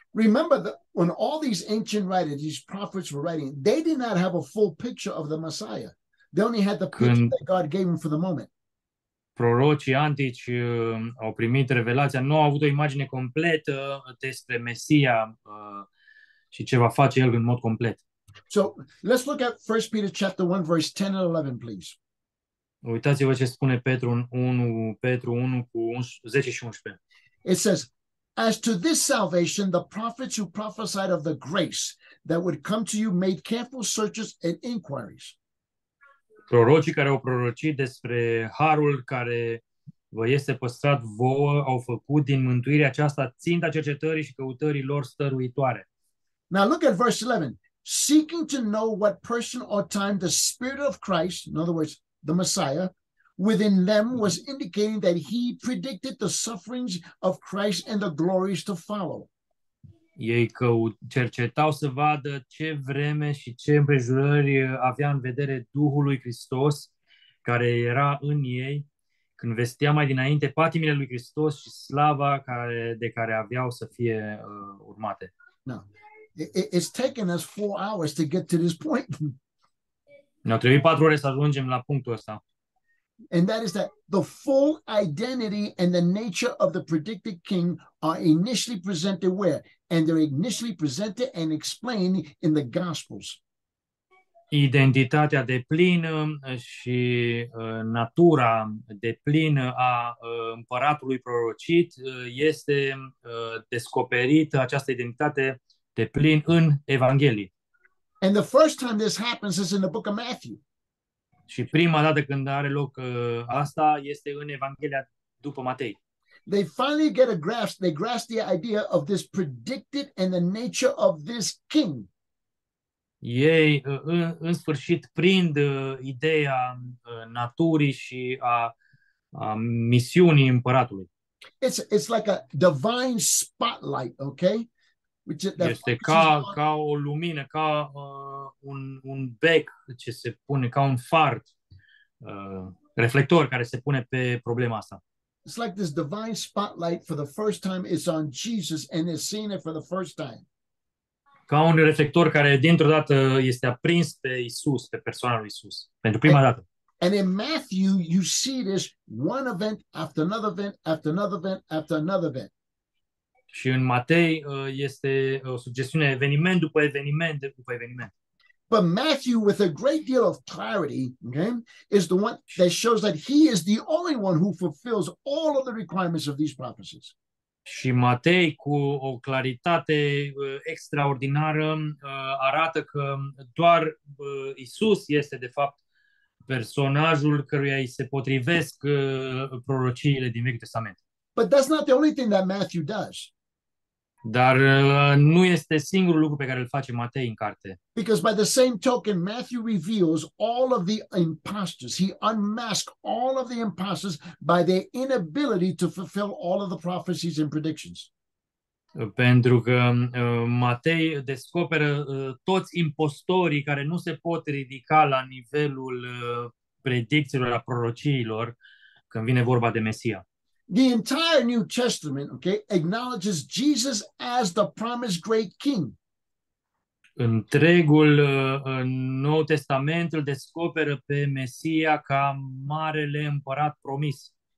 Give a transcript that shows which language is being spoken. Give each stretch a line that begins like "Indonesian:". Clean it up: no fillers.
English: Remember that when all these ancient writers, these prophets were writing, they did not have a full picture of the Messiah. They only had the picture that God gave them for the moment.
Romanian: Prorocii antici au primit revelația, nu au avut o imagine completă despre Mesia și ce va face el în mod complet.
English: So, let's look at 1 Peter chapter 1, verse 10 and 11, please.
Romanian: Uitați-vă ce spune Petru 1 cu 10 și 11.
English: It says, as to this salvation, the prophets who prophesied of the grace that would come to you made careful searches and inquiries.
Romanian: prorocii care au prorocit despre harul care vă este păstrat vouă au făcut din mântuirea aceasta ținta cercetării și căutării lor stăruitoare.
English: Now look at verse 11. Seeking to know what person or time the Spirit of Christ, in other words, the Messiah, within them was indicating that he predicted the sufferings of Christ and the glories to follow.
Romanian: Ei cercetau să vadă ce vreme și ce împrejurări avea în vedere Duhul lui Hristos, care era în ei, când vestea mai dinainte patimile lui Hristos și slava care, de care aveau să fie urmate.
English: No. It's taken us 4 hours to get to this point.
Romanian: Ne-au trebuit 4 ore să ajungem la punctul ăsta.
English: And that is that the full identity and the nature of the predicted king are initially presented where? And they're initially presented and explained in the Gospels.
Romanian: Identitatea deplină și natura deplină a împăratului prorocit este descoperită, această identitate deplin în Evanghelie.
English: And the first time this happens is in the book of Matthew.
Romanian: Și prima dată când are loc asta este în Evanghelia după Matei.
English: They finally get a grasp, they grasp the idea of this predicted and the nature of this king.
Romanian: Ei în sfârșit prind ideea naturii și a misiunii împăratului.
English: It's like a divine spotlight, okay? Which is
Romanian: este ca o lumină, ca un bec ce se pune, ca un far, reflector care se pune pe problema asta.
English: It's like this divine spotlight for the first time is on Jesus and is seeing it for the first time.
Romanian: Ca un reflector care dintr-o dată este aprins pe Isus, pe persoana lui Isus, pentru prima dată.
English: And in Matthew you see this one event after another event after another event after another event.
Romanian: Și în Matei este o succesiune eveniment după eveniment după eveniment.
English: But Matthew, with a great deal of clarity, okay, is the one that shows that he is the only one who fulfills all of the requirements of these prophecies.
Romanian: Și Matei, cu o claritate extraordinară, arată că doar Isus este de fapt personajul căruia îi se potrivesc prorociile din Vechiul Testament.
English: But that's not the only thing that Matthew does.
Romanian: Dar nu este singurul lucru pe care îl face Matei în carte.
English: Because by the same token, Matthew reveals all of the imposters. He unmasks all of the imposters by their inability to fulfill all of the prophecies and predictions.
Romanian: Pentru că Matei descoperă toți impostorii care nu se pot ridica la nivelul predicțiilor, a prorociilor, când vine vorba de Mesia.
English: The entire New Testament, okay, acknowledges Jesus as the promised great king.
Romanian: Întregul Nou Testament îl descoperă pe Mesia ca marele împărat promis.